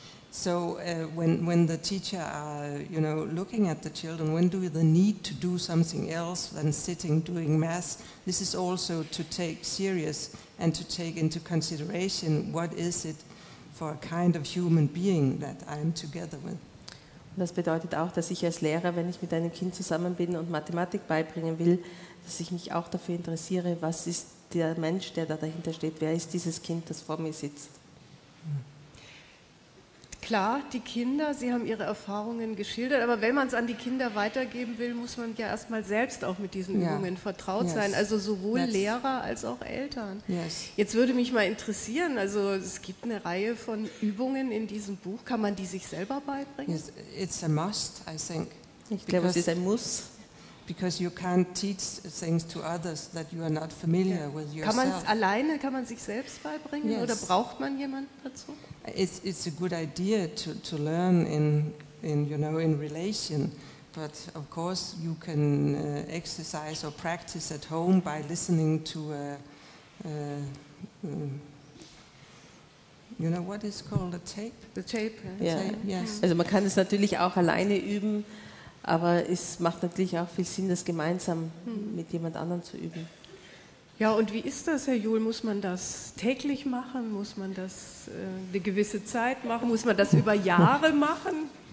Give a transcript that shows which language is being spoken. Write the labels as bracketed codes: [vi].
[en] So when the teacher are looking at the children, when do they need to do something else than sitting doing math? This is also to take serious and to take into consideration what is it for a kind of human being that I'm together with. [de] Und das bedeutet auch, dass ich als Lehrer, wenn ich mit einem Kind zusammen bin und Mathematik beibringen will, dass ich mich auch dafür interessiere, was ist der Mensch, der da dahinter steht, wer ist dieses Kind, das vor mir sitzt. Klar, die Kinder, sie haben ihre Erfahrungen geschildert, aber wenn man es an die Kinder weitergeben will, muss man ja erstmal selbst auch mit diesen Übungen vertraut sein, also sowohl Lehrer als auch Eltern. [en] Yes. [de] Jetzt würde mich mal interessieren, also es gibt eine Reihe von Übungen in diesem Buch, kann man die sich selber beibringen? [en] Yes, it's a must, I think. [de] Ich glaube, es ist ein Muss. [en] Because you can't teach things to others that you are not familiar with yourself. [de] Kann man es alleine, kann man sich selbst beibringen oder braucht man jemanden dazu? [en] It's a good idea to learn in relation, but of course you can exercise or practice at home by listening to what is called a tape? The tape. Yes. [de] Also man kann es natürlich auch alleine üben. Aber es macht natürlich auch viel Sinn, das gemeinsam mit jemand anderem zu üben. Ja, und wie ist das, Herr Juhl? Muss man das täglich machen? Muss man das eine gewisse Zeit machen? Muss man das über Jahre machen?